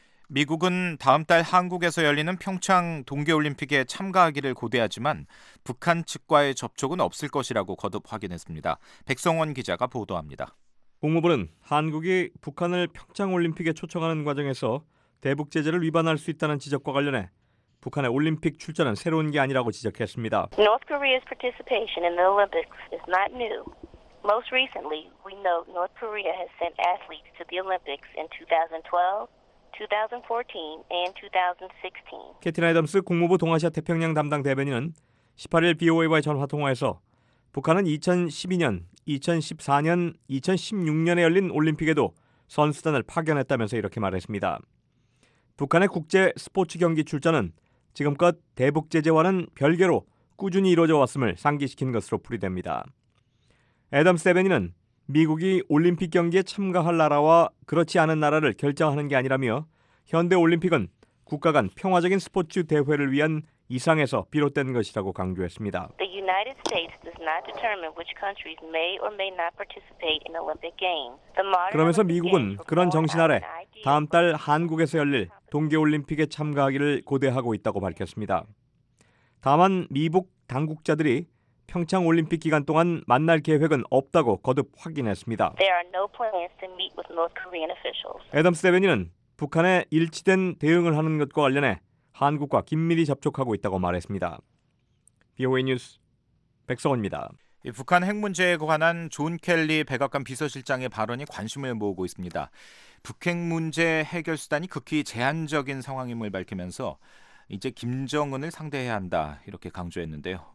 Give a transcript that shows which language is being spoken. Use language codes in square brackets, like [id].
[ko] 미국은 다음 달 한국에서 열리는 평창 동계올림픽에 참가하기를 고대하지만 북한 측과의 접촉은 없을 것이라고 거듭 확인했습니다. 백성원 기자가 보도합니다. 국무부는 한국이 북한을 평창올림픽에 초청하는 과정에서 대북 제재를 위반할 수 있다는 지적과 관련해 북한의 올림픽 출전은 새로운 게 아니라고 지적했습니다. [en] North Korea's participation in the Olympics is not new. Most recently, we know North Korea has sent athletes to the Olympics in 2012, 2014, and 2016. [ko] 캐티 나이덤스 국무부 동아시아 태평양 담당 대변인은 18일 BOA와의 전화 통화에서 북한은 2012년, 2014년, 2016년에 열린 올림픽에도 선수단을 파견했다면서 이렇게 말했습니다. 북한의 국제 스포츠 경기 출전은 지금껏 대북 제재와는 별개로 꾸준히 이루어져 왔음을 상기시킨 것으로 풀이됩니다. 애덤 세베니는 미국이 올림픽 경기에 참가할 나라와 그렇지 않은 나라를 결정하는 게 아니라며 현대 올림픽은 국가 간 평화적인 스포츠 대회를 위한 이상에서 비롯된 것이라고 강조했습니다. [en] The United States does not determine which countries may or may not participate in Olympic Games. [ko] 그러면서 미국은 그런 정신 아래 다음 달 한국에서 열릴 동계올림픽에 참가하기를 고대하고 있다고 밝혔습니다. 다만 미북 당국자들이 평창올림픽 기간 동안 만날 계획은 없다고 거듭 확인했습니다. [en] There are no plans to meet with North Korean officials. [ko] 애덤스 대변인은 북한의 일치된 대응을 하는 것과 관련해 한국과 긴밀히 접촉하고 있다고 말했습니다. BOA 뉴스 백성원입니다. 북한 핵 문제에 관한 존 켈리 백악관 비서실장의 발언이 관심을 모으고 있습니다. 북핵 문제 해결 수단이 극히 제한적인 상황임을 밝히면서 이제 김정은을 상대해야 한다 이렇게 강조했는데요.